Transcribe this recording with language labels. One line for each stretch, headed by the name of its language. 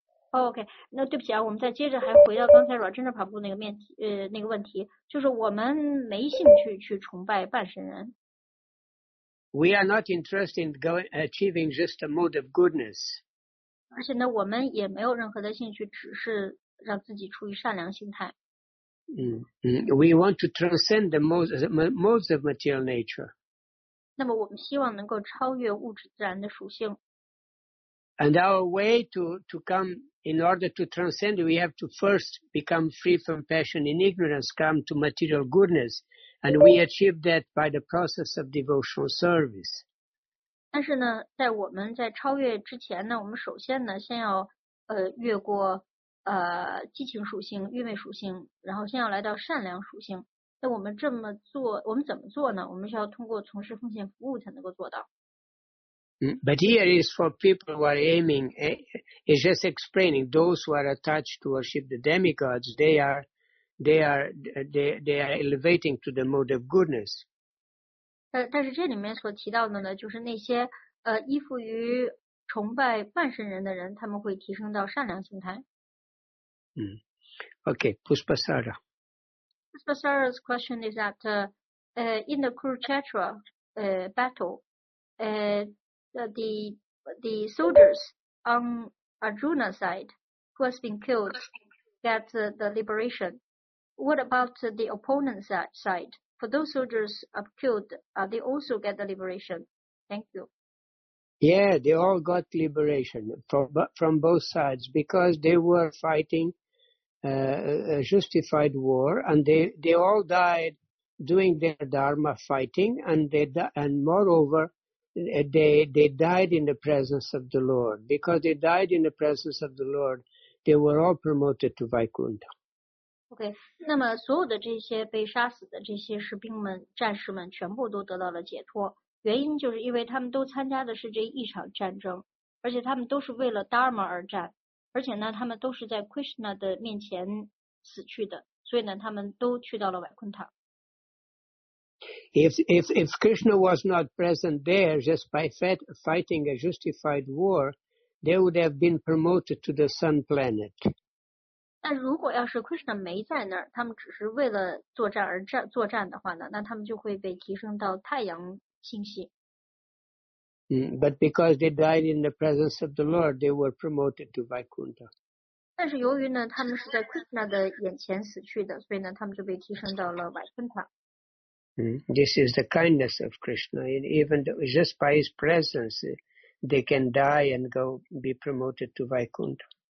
Chinese: OK， 那对不起啊，我们再接着还回到刚才软真的跑步那个面题，那个问题，就是我们没兴趣去崇拜半神人。
English: We are not interested in going achieving just a mode of goodness.
Chinese: 而且呢，我们也没有任何的兴趣，只是让自己处于善良心态。
English: We want to transcend the modes of material nature.
Chinese: 那么我们希望能够超越物质自然的属性。
English: And our way to come, in order to transcend, we have to first become free from passion and ignorance, come to material goodness. And we achieve that by the process of devotional service.
Chinese: 但是呢，在我们在超越之前呢，我们首先呢，先要越过激情属性、愚昧属性，然后先要来到善良属性。那我们这么做，我们怎么做呢？我们需要通过从事奉献服务才能够做到。
English: But here is for people who are aiming, it's just explaining those who are attached to worship the demigods, they are elevating to the mode of goodness.
Chinese: 但是这里面所提到的呢，就是那些依附于崇拜半神人的人，他们会提升到善良心态。
English: Okay, Puspasara. Puspasara's question is that in the Kurukshetra battle, the soldiers on Arjuna's side who has been killed get the liberation. What about the opponent's side? For those soldiers are killed, they also get the liberation. Thank you. Yeah, they all got liberation from both sides because they were fighting a justified war and they all died doing their dharma fighting and moreover, they died in the presence of the Lord. Because they died in the presence of the Lord, they were all promoted to Vaikuntha.
Chinese: Okay, 那么所有的这些被杀死的这些士兵们、战士们全部都得到了解脱。原因就是因为他们都参加的是这一场战争，而且他们都是为了 Dharma 而战，而且呢，他们都是在 Krishna 的面前死去的，所以呢，他们都去到了 Vaikuntha。
English: If Krishna was not present there just by fighting a justified war, they would have been promoted to the sun planet.
Chinese: 但如果要是 Krishna 没在那儿，他们只是为了作战而战作战的话呢，那他们就会被提升到太阳星系。
English: But because they died in the presence of the Lord, they were promoted to Vaikuntha.
Chinese: 但是由于呢，他们是在 Krishna 的眼前死去的，所以呢，他们就被提升到了 Vaikuntha。
English: This is the kindness of Krishna. Even though, just by his presence, they can die and go be promoted to Vaikuntha.